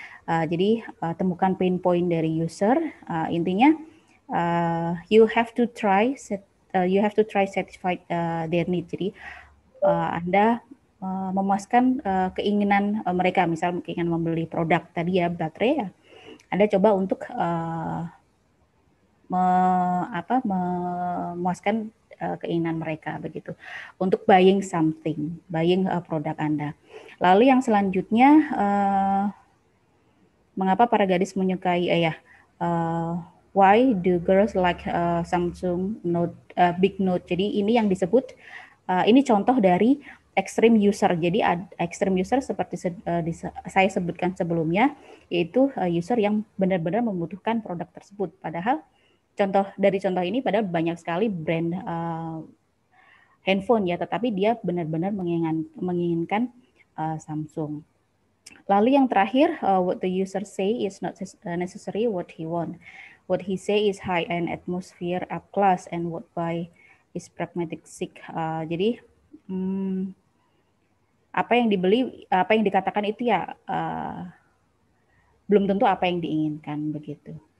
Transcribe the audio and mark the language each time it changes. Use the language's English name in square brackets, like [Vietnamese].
[Indonesian] Jadi temukan pain point dari user. Intinya [English] you have to try satisfy their need. [Indonesian] Jadi Anda memuaskan keinginan mereka. Misal ingin membeli produk tadi ya, baterai ya. Anda coba untuk memuaskan keinginan mereka begitu untuk [English] buying something, [Indonesian] buying produk Anda. Lalu yang selanjutnya, mengapa para gadis menyukai [English] why do girls like [Indonesian] Samsung Note, Big Note? Jadi ini yang disebut, ini contoh dari extreme user. Jadi extreme user seperti saya sebutkan sebelumnya, yaitu user yang benar-benar membutuhkan produk tersebut. Padahal contoh dari contoh ini, padahal banyak sekali brand handphone ya, tetapi dia benar-benar menginginkan Samsung. Lalu yang terakhir, [English] what the user say is not necessary what he want. What he say is high-end atmosphere up class and what buy is pragmatic seek. [Indonesian] Jadi apa yang dibeli, apa yang dikatakan itu ya belum tentu apa yang diinginkan begitu.